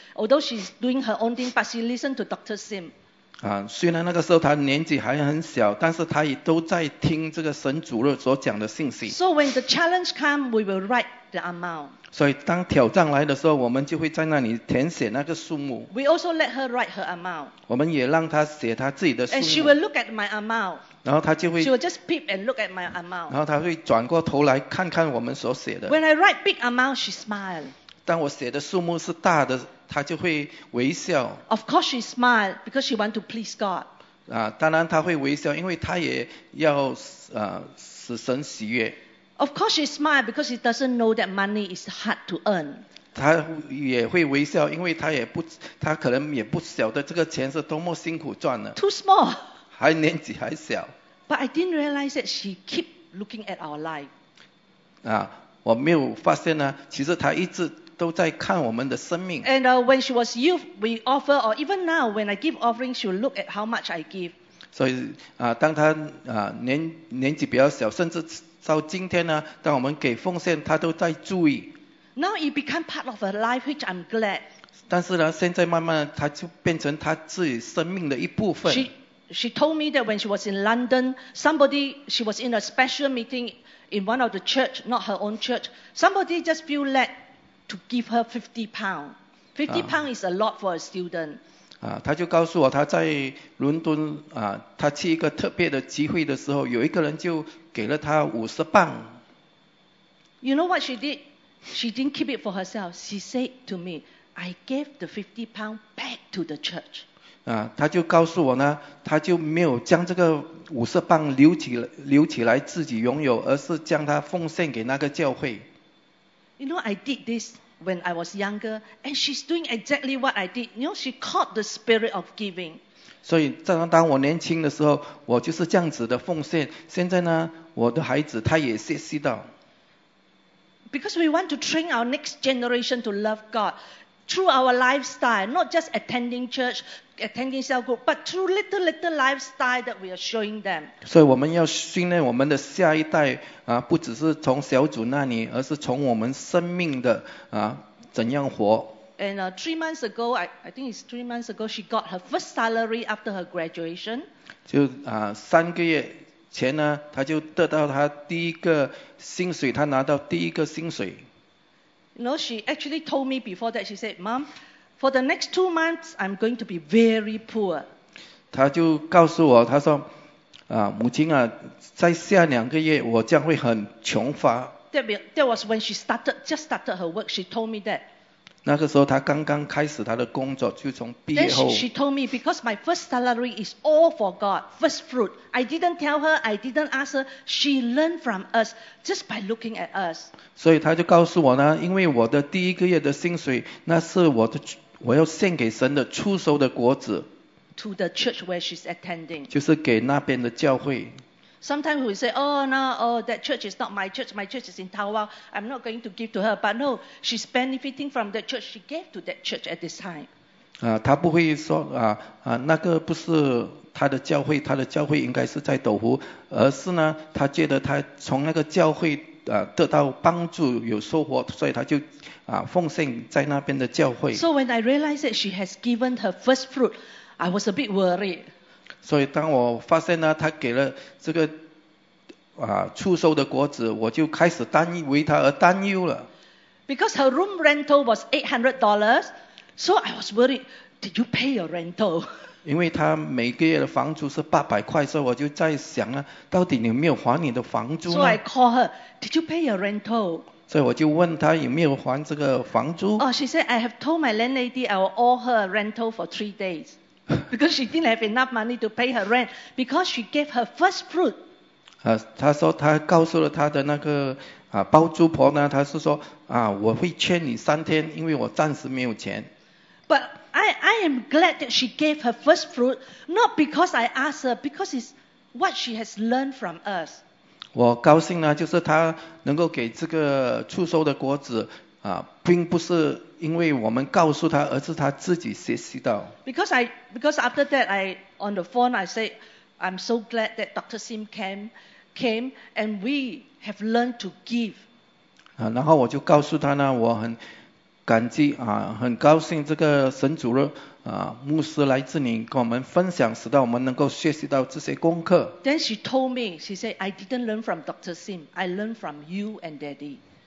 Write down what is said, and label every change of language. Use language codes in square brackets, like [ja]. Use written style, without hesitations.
[en] Although she's doing her own thing, but she listened to Dr. Sim. [zh] 啊，虽然那个时候她年纪还很小，但是她也都在听这个神主任所讲的信息。 [en] So when the challenge comes, we will write. [zh] 所以当挑战来的时候，我们就会在那里填写那个数目。 [en] We also let her write her amount. [zh] 我们也让她写她自己的数目。 [en] And she will look at my amount. [zh] 然后她就会。 [en] She will just peep and look at my amount. [zh] 然后她会转过头来看看我们所写的。 [en] When I write big amount, she smiles. [zh] 当我写的数目是大的，她就会微笑。 [en] Of course she smiles because she wants to please God. [zh] 啊，当然她会微笑，因为她也要使神喜悦。 [en] Of course she smiles because she doesn't know that money is hard to earn. [zh] 她也会微笑，因为她也不，她可能也不晓得这个钱是多么辛苦赚的。 [en] Too small. [zh] 还年纪还小。 [en] But I didn't realize that she keep looking at our life. [zh] 啊，我没有发现呢，其实她一直都在看我们的生命。 [en] And when she was youth, we offer, or even now, when I give offering, she will look at how much I give. [zh] 所以啊，当她啊年纪比较小，甚至到今天呢，当我们给奉献，他都在注意。 [en] Now it become part of her life, which I'm glad. [zh] 但是呢，现在慢慢他就变成他自己生命的一部分。 [en] She told me that when she was in London, somebody, she was in a special meeting in one of the church, not her own church. Somebody just feel led to give her £50. £50 is a lot for a student. [zh] 啊，他就告诉我他在伦敦啊，他去一个特别的集会的时候，有一个人就。给了他£50。 [en] You know what she did? She didn't keep it for herself. She said to me, "I gave the £50 back to the church." [zh] 啊，他就告诉我呢，他就没有将这个£50留起来自己拥有，而是将它奉献给那个教会。 [en] You know, I did this when I was younger, and she's doing exactly what I did. You know, she caught the spirit of giving. [zh] 所以当我年轻的时候，我就是这样子的奉献。现在呢，我的孩子他也学习到。 [en] Because we want to train our next generation to love God through our lifestyle, not just attending church, attending cell group, but through little lifestyle that we are showing them. [zh] 所以我们要训练我们的下一代啊，不只是从小组那里，而是从我们生命的啊怎样活。 [en] And3 months ago, I think it's 3 months ago, she got her first salary after her graduation. [zh] 就三个月前呢，她就得到她第一个薪水，她拿到第一个薪水。 [en] You know, she actually told me before that, she said, "Mom, for the next 2 months, I'm going to be very poor." [zh] 她就告诉我，她说，母亲啊，在下两个月我将会很穷乏。 [en] That was when she just started her work. She told me that. [zh] 那个时候他刚刚开始他的工作，就从毕业后。 [en] Then she told me because my first salary is all for God, first fruit. I didn't tell her, I didn't ask her. She learned from us just by looking at us. [zh] 所以他就告诉我呢，因为我的第一个月的薪水，那是我要献给神的初熟的果子。 [en] To the church where she's attending. [zh] 就是给那边的教会。 [en] Sometimes we say, "Oh, no, oh, that church is not my church. My church is in Tawau. I'm not going to give to her." But no, she's benefiting from that church. She gave to that church at this time. [zh] 她不会说那个不是她的教会，她的教会应该是在斗湖，而是呢，她觉得她从那个教会得到帮助有收获，所以她就奉献在那边的教会。 [en] So when I realized that she has given her first fruit, I was a bit worried. [zh] 所以当我发现呢，他给了这个出售的果子，我就开始为他而担忧了。 [en] Because her room rental was $800, so I was worried. Did you pay your rental? [zh] 因为他每个月的房租是$800，所以我就在想啊，到底你有没有还你的房租呢 [en] ？So I call her. Did you pay your rental? [zh] 所以我就问他有没有还这个房租。 [en] Oh, she said, I have told my landlady I will owe her rental for 3 days. Because she didn't have enough money to pay her rent. Because she gave her first fruit. [zh] 他说他告诉了他的那个包租婆呢，他是说我会欠你3天，因为我暂时没有钱。 [en] But I am glad that she gave her first fruit, not because I asked her, because it's what she has learned from us. [zh] 我高兴呢，就是他能够给这个出售的果子并不是因为我们告诉他，而是他自己学习到。 [en] Because after that, I on the phone, I said. I'm so glad that Dr. Sim came and we have learned to give. [zh] 然后我就告诉他呢，我很感激很高兴这个神主任牧师来这里跟我们分享，使到我们能够学习到这些功课。 [en] Then she told me, she said, I didn't learn from Dr. Sim, I learned from you and Daddy.